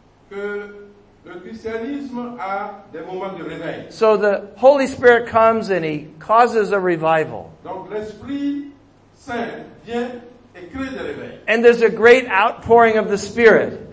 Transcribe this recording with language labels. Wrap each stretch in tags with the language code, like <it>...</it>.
<fr>Que le christianisme a des moments de réveil.</fr> <en>So the Holy Spirit comes and he causes a revival.</en> <fr>Donc l'Esprit Saint vient et crée des réveils.</fr> <en>And there's a great outpouring of the Spirit.</en>